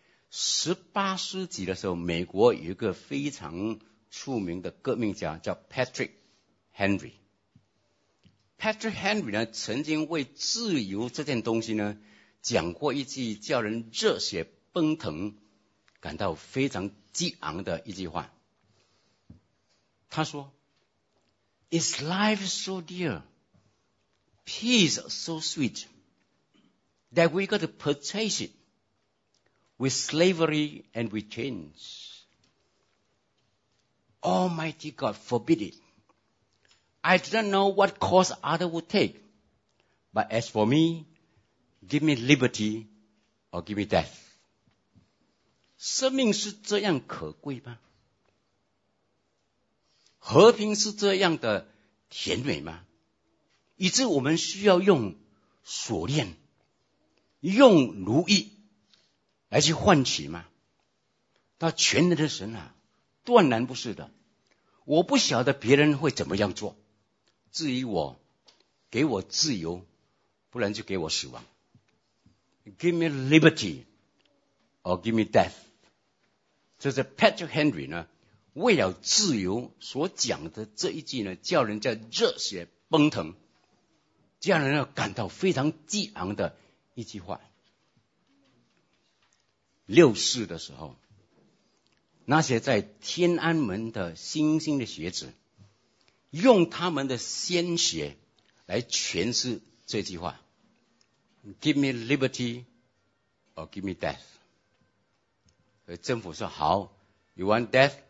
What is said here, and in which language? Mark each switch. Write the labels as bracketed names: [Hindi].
[Chinese] 18世纪的时候，美国有一个非常出名的革命家叫 Patrick Henry。 Patrick Henry 呢，曾经为自由这件东西呢讲过一句叫人热血奔腾感到非常激昂的一句话。他说， [English] Is life so dear? peace so sweet that we got to purchase it with slavery and with chains. Almighty God forbid it. I don't know what course others would take. But as for me, give me liberty or give me death. [Chinese] 生命是这样可贵吗? 和平是这样的甜美吗? 以致我们需要用锁链, 用奴役, 来去换取吗? 那全能的神啊, 断然不是的。我不晓得别人会怎么样做, 至于我, 给我自由, 不然就给我死亡。 [English] Give me liberty, or give me death. [Chinese] 这是 Patrick Henry 呢, 为了自由所讲的这一句呢, 叫人家热血奔腾, 叫人家感到非常激昂的一句话。六四的时候, 那些在天安门的新兴的学子, 用他们的鲜血来诠释这句话, [English] Give me liberty or give me death. [Chinese] 政府说, 好, [English] You want death?